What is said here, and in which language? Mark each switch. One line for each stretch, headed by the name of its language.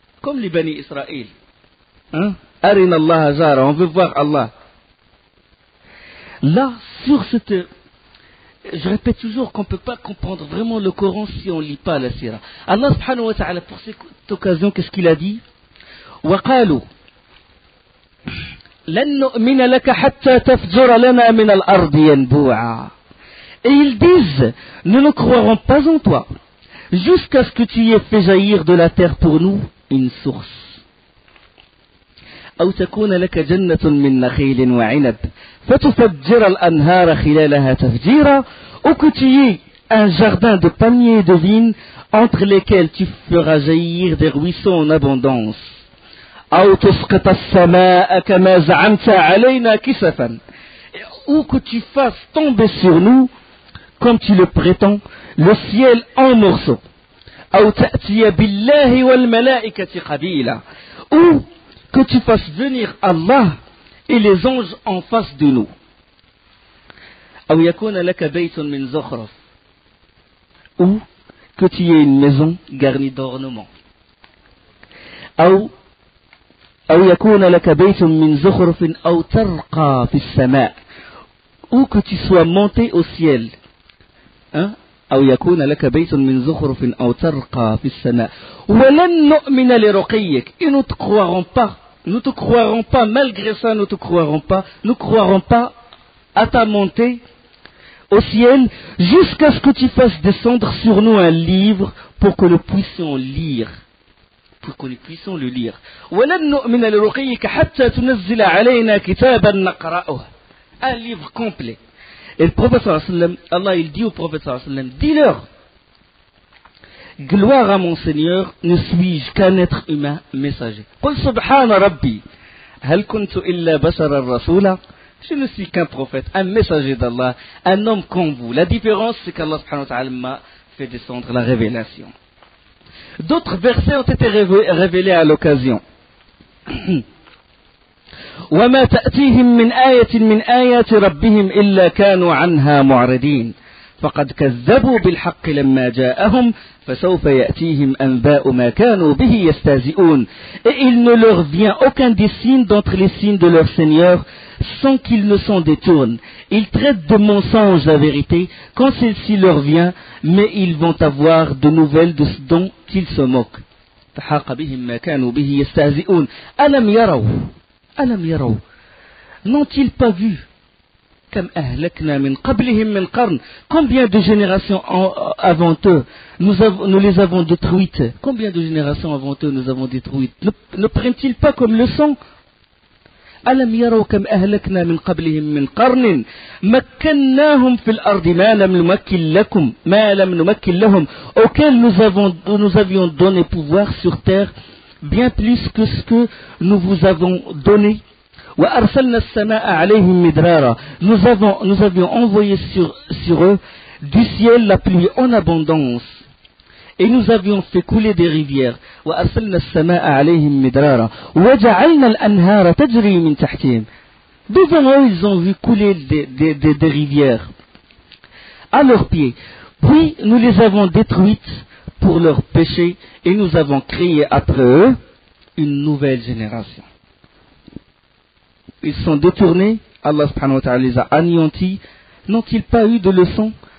French: Comme les Bani Israël.
Arabic: Arina Allah Azara,
French: on veut voir Allah. Là, sur cette... Je répète toujours qu'on ne peut pas comprendre vraiment le Coran si on ne lit pas la Sira. Allah subhanahu wa ta'ala, pour cette occasion, qu'est-ce qu'il a dit ?
Arabic: وقالوا لن نؤمن لك حتى تفجر لنا من الأرض ينبوعا.
French: Et ils disent, nous ne croirons pas en toi jusqu'à ce que tu aies fait jaillir de la terre pour nous une source.
Arabic: أو تكون لك جنة من نخيل وعنب فتفجر الأنهار خلالها تفجيرا.
French: Ou que tu aies un jardin de palmiers et de vignes entre lesquels tu feras jaillir des ruisseaux en abondance.
Arabic: أو تسقط السماء كما زعمت علينا كسفا.
French: Ou que tu fasses tomber sur nous, comme tu le prétends, le ciel en morceaux.
Arabic: أو تأتي بالله والملائكة قبيلا.
French: Ou que tu fasses venir Allah et les anges en face de nous.
Arabic: أو يكون لك بيت من زخرف.
French: Ou que tu aies une maison garnie d'ornements.
Arabic: أو أو يكون لك بيت من زخرف أو ترقى في السماء.
French: Ou que tu sois monté au ciel.
Arabic: أو يكون لك بيت من زخرف أو ترقى في السماء. ولن نؤمن لرقيك.
French: Et nous te croirons pas. Nous te croirons pas. Malgré ça, nous te croirons pas. Nous croirons pas à ta montée au ciel jusqu'à ce que tu fasses descendre sur nous un livre pour que nous puissions lire. Pour que nous puissions le lire.
Arabic: وَلَنْ نُؤْمِنَ لِرُقِيِّكَ حَتَّى تُنَزِّلَ عَلَيْنَا كِتَابًا نَقْرَأُهُ.
French: Un livre complet. Et le prophète sallallahu alayhi wa sallam, Allah il dit au prophète sallallahu alayhi wa sallam, dis-leur, gloire à mon Seigneur, ne suis-je qu'un être humain messager.
Arabic: قُلْ سُبْحَانَ رَبِّي هَلْ كُنْتُ إِلَّا بَشَرًا رَسُولًا.
French: Je ne suis qu'un prophète, un messager d'Allah, un homme comme vous. La différence, c'est qu'Allah subhanahu wa ta'ala m'a fait descendre la révélation. D'autres versets ont été révélés à l'occasion.
Arabic: وما تأتيهم من آية من آيات ربهم إلا كانوا عنها معرضين. فقد كذبوا بالحق لما جاءهم فسوف يأتيهم أنباء ما كانوا به يستهزئون.
French: Et il ne leur vient aucun des signes d'entre les signes de leur Seigneur sans qu'ils ne s'en détournent. Ils traitent de mensonge la vérité quand celle-ci leur vient, mais ils vont avoir de nouvelles de ce dont ils se moquent.
Arabic: فحاق بهم ما كانوا به يستهزئون. ألم يروا ألم يروا.
French: N'ont-ils pas vu?
Arabic: كم أهلكنا من قبلهم من قرن.
French: Combien de générations avant eux nous les avons détruites. Combien de générations avant eux nous avons détruites. Ne prennent-ils pas comme leçon?
Arabic: ألم يروا كم أهلكنا من قبلهم من قرن مكناهم في الأرض ما لم نمكن لكم ما لم نمكن لهم.
French: Auquel nous avions donné pouvoir sur terre bien plus que ce que nous vous avons donné.
Arabic: وأرسلنا السماء عليهم مدرارا.
French: Nous avions envoyé sur eux du ciel la pluie en abondance. Et nous avions fait couler des rivières.
Arabic: وأرسلنا السماء عليهم مدرارا. وجعلنا الأنهار تجري من تحتهم.
French: Devant eux, ils ont vu couler des rivières à leurs pieds. Puis nous les avons détruites pour leurs péchés et nous avons créé après eux une nouvelle génération. Ils sont détournés, Allah subhanahu wa ta'ala les a anéantis. N'ont-ils pas eu de leçon?